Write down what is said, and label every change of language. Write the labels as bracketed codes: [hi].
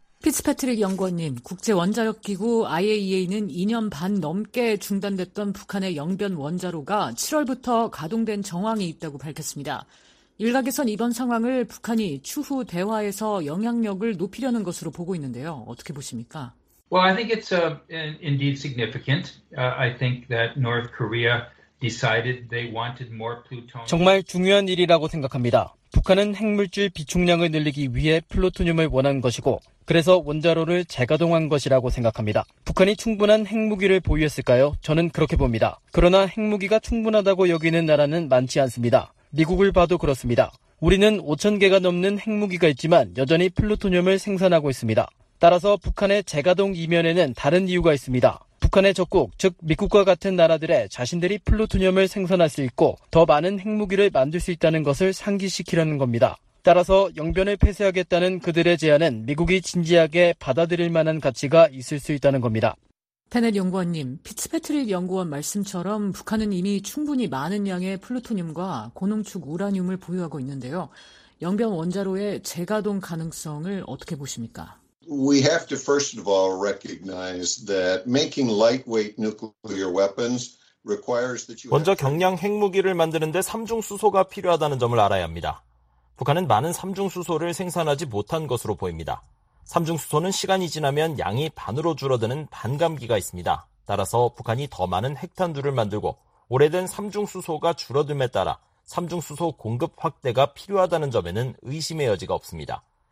[ko] 피츠패트릭 연구원님, 국제원자력기구 IAEA는 2년 반 넘게 중단됐던 북한의 영변 원자로가 7월부터 가동된 정황이 있다고 밝혔습니다. 일각에선 이번 상황을 북한이 추후 대화에서 영향력을 높이려는 것으로 보고 있는데요. 어떻게 보십니까? [en] Well, I think it's indeed significant. I think that North Korea decided they wanted more plutonium. [ko] 정말 중요한 일이라고 생각합니다. 북한은 핵물질 비축량을 늘리기 위해 플루토늄을 원한 것이고 그래서 원자로를 재가동한 것이라고 생각합니다. 북한이 충분한 핵무기를 보유했을까요? 저는 그렇게 봅니다. 그러나 핵무기가 충분하다고 여기는 나라는 많지 않습니다. 미국을 봐도 그렇습니다. 우리는 5천 개가 넘는 핵무기가 있지만 여전히 플루토늄을 생산하고 있습니다. 따라서 북한의 재가동 이면에는 다른 이유가 있습니다. 북한의 적국, 즉 미국과 같은 나라들의 자신들이 플루토늄을 생산할 수 있고 더 많은 핵무기를 만들 수 있다는 것을 상기시키려는 겁니다. 따라서 영변을 폐쇄하겠다는 그들의 제안은 미국이 진지하게 받아들일 만한 가치가 있을 수 있다는 겁니다. 페넬 연구원님, 피츠패트릭 연구원 말씀처럼 북한은 이미 충분히 많은 양의 플루토늄과 고농축 우라늄을 보유하고 있는데요. 영변 원자로의 재가동 가능성을 어떻게 보십니까? [en] We have to first of all recognize that making lightweight nuclear weapons requires that you [ko] 먼저 경량 핵무기를 만드는데 삼중수소가 필요하다는 점을 알아야 합니다. 북한은 많은 삼중수소를 생산하지 못한 것으로 보입니다. 삼중수소는 시간이 지나면 양이 반으로 줄어드는 반감기가 있습니다. 따라서 북한이 더 많은 핵탄두를 만들고 오래된 삼중수소가 줄어듦에 따라 삼중수소 공급 확대가 필요하다는 점에는 의심의 여지가 없습니다.